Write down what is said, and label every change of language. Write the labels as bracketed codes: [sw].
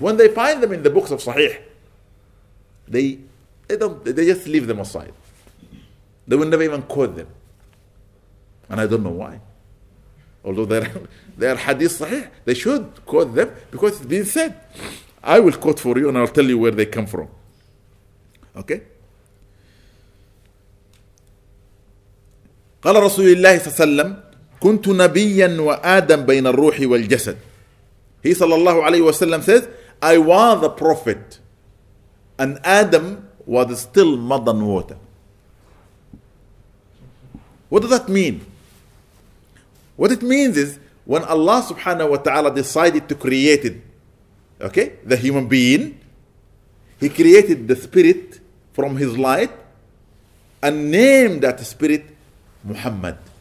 [en] When they find them in the books of Sahih, they just leave them aside. They will never even quote them. And I don't know why. Although they are hadith Sahih, they should quote them because it's been said. I will quote for you and I'll tell you where they come from. Okay? [ar] قال رسول الله صلى الله عليه وسلم كنت نبيا وآدم بين الروح والجسد. [en] He sallallahu alayhi wa sallam says, I was a prophet and Adam was still mud and water. What does that mean? What it means is when Allah subhanahu wa ta'ala decided to create it, okay, the human being, He created the spirit from His light and named that spirit Muhammad.